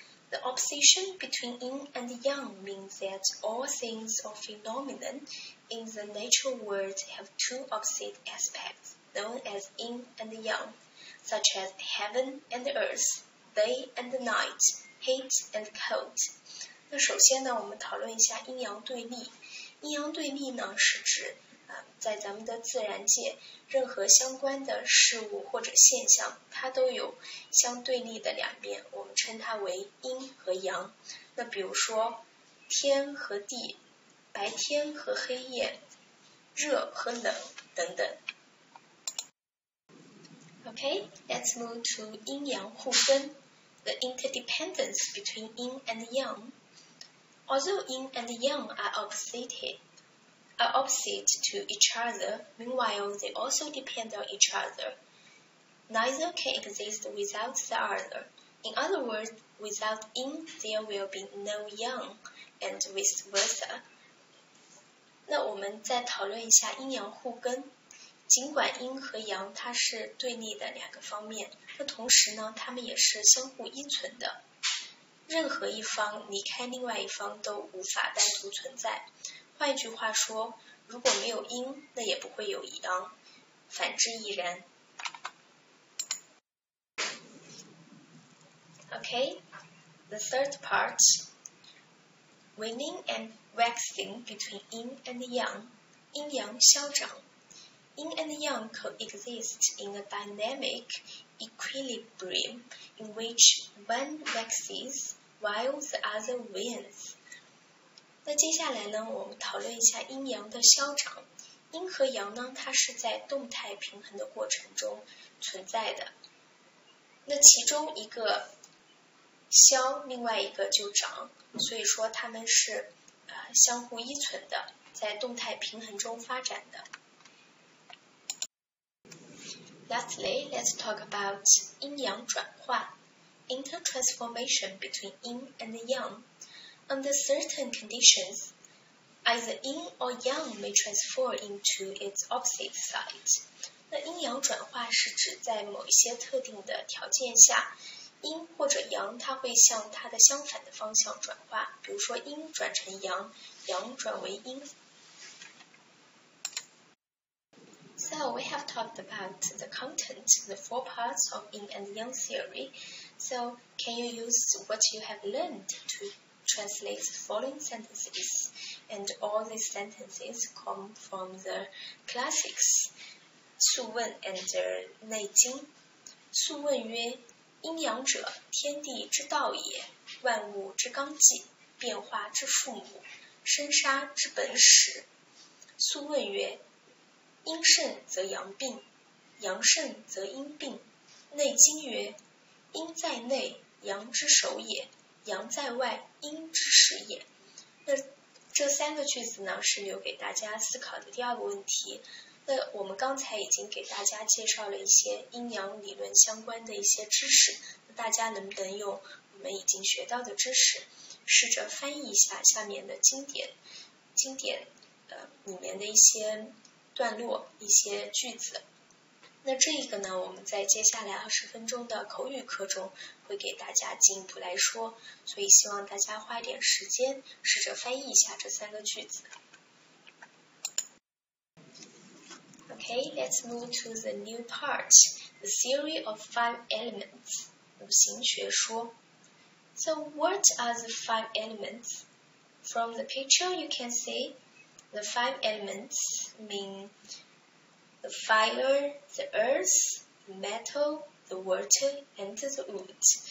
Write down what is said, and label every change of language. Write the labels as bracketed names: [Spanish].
[English] The opposition between yin and yang means that all things or phenomena in the natural world have two opposite aspects, known as yin and yang, such as heaven and earth, day and night, heat and cold. [Chinese] 那首先呢，我们讨论一下阴阳对立。阴阳对立呢，是指在咱们的自然界，任何相关的事物或者现象，它都有相对立的两面，我们称它为阴和阳。那比如说天和地，白天和黑夜，热和冷等等。 [English] Okay, let's move to 阴阳互根， the interdependence between yin and yang. Although yin and yang are opposite to each other, meanwhile they also depend on each other. Neither can exist without the other. In other words, without yin, there will be no yang, and vice versa. [Chinese] 那我们再讨论一下阴阳互根。尽管阴和阳它是对立的两个方面，那同时呢，它们也是相互依存的。任何一方离开另外一方都无法单独存在。换一句话说，如果没有阴，那也不会有阳，反之亦然。 [English] Okay, the third part, waning and waxing between yin and yang, 阴阳消长. Yin and yang coexist in a dynamic equilibrium in which one waxes while the other wanes. [Chinese] 那接下来呢，我们讨论一下阴阳的消长。阴和阳呢，它是在动态平衡的过程中存在的。那其中一个消，另外一个就长，所以说它们是相互依存的，在动态平衡中发展的。 [English] Lastly, let's talk about 阴阳转化 intertransformation between yin and yang. Under certain conditions, either yin or yang may transform into its opposite side. [Chinese] 那阴阳转化是指在某一些特定的条件下，阴或者阳它会向它的相反的方向转化，比如说阴转成阳，阳转为阴。 [English] So we have talked about the content, the four parts of yin and yang theory. So can you use what you have learned to... translates the following sentences, and all these sentences come from the classics 素问 and 内经。 [Chinese] 素问曰：阴阳者，天地之道也，万物之纲纪，变化之父母，生杀之本始。素问曰：阴盛则阳病，阳盛则阴病。内经曰：阴在内，阳之首也。阳在外，阴之始也。那这三个句子呢，是留给大家思考的第二个问题。那我们刚才已经给大家介绍了一些阴阳理论相关的一些知识，那大家能不能用我们已经学到的知识，试着翻译一下下面的经典里面的一些段落、一些句子？那这一个呢，我们在接下来20分钟的口语课中会给大家进一步来说，所以希望大家花一点时间试着翻译一下这三个句子。 [English] Okay, let's move to the new part, the The Theory of Five Elements, 五行学说。 So what are the five elements? From the picture you can see, the five elements mean the fire, the earth, the metal, the water, and the wood.